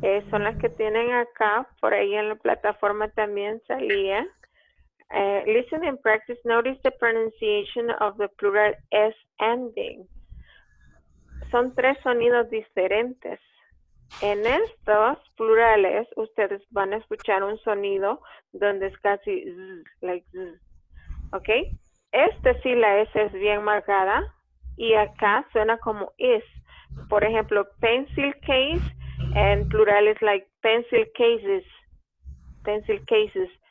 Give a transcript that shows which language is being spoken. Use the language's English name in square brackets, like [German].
[Spanish] Son las que tienen acá, por ahí en la plataforma también salía. [English] Listen and practice, notice the pronunciation of the plural S ending. [Spanish] Son tres sonidos diferentes. En estos plurales, ustedes van a escuchar un sonido donde es casi z, like z, ¿ok? Este sí, la S es bien marcada y acá suena como is. Por ejemplo, pencil case, en plural es like pencil cases. Pencil cases.